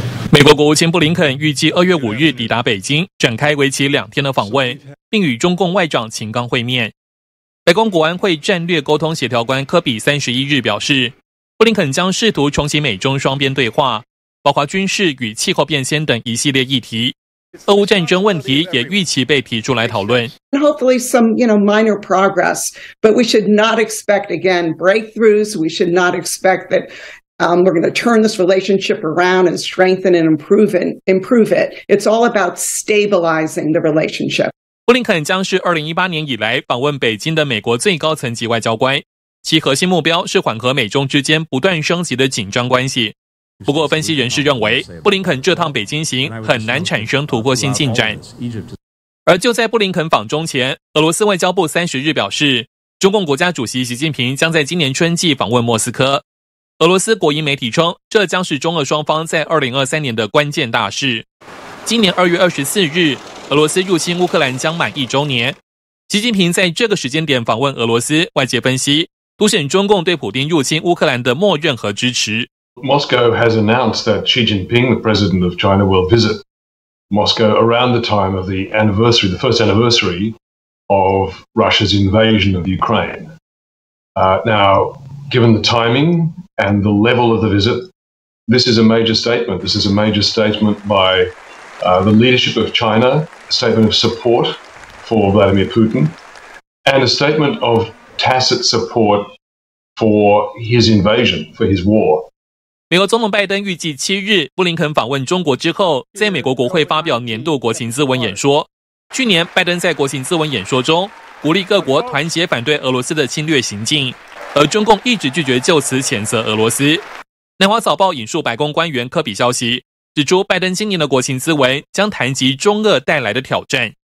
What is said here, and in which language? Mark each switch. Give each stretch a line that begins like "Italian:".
Chinese: 美国国务卿布林肯预计2月5日抵达北京，展开为期两天的访问，并与中共外长秦刚会面。白宫国安会战略沟通协调官科比31日表示，布林肯将试图重启美中双边对话，包括军事与气候变迁等一系列议题，俄乌战争问题也预期被提出来讨论。
English: Hopefully some, you know, minor progress, but we should not expect again breakthroughs. We should not expect that we're going to turn this relationship around and strengthen and improve it. It's all about stabilizing the relationship.
Chinese: 布林肯将是2018年以来访问北京的美国最高层级外交官，其核心目标是缓和美中之间不断升级的紧张关系。不过分析人士认为，布林肯这趟北京行很难产生突破性进展。而就在布林肯访中前，俄罗斯外交部30日表示，中共国家主席习近平将在今年春季访问莫斯科。俄罗斯国营媒体称，这将是中俄双方在2023年的关键大事。今年2月24日，俄罗斯入侵乌克兰将满一周年。习近平在这个时间点访问俄罗斯，外界分析，凸显中共对普丁入侵乌克兰的默认和支持。
English: Moscow has announced that Xi Jinping, the president of China, will visit Moscow around the time of the anniversary, the first anniversary of Russia's invasion of Ukraine. Now, given the timing and the level of the visit, this is a major statement. This is a major statement by the leadership of China, a statement of support for Vladimir Putin, and a statement of tacit support for his invasion, for his war.
Chinese: 美国总统拜登预计7日布林肯访问中国之后，在美国国会发表年度国情咨文演说。去年拜登在国情咨文演说中鼓励各国团结反对俄罗斯的侵略行径，而中共一直拒绝就此谴责俄罗斯。南华早报引述白宫官员科比消息指出，拜登今年的国情咨文将谈及中俄带来的挑战。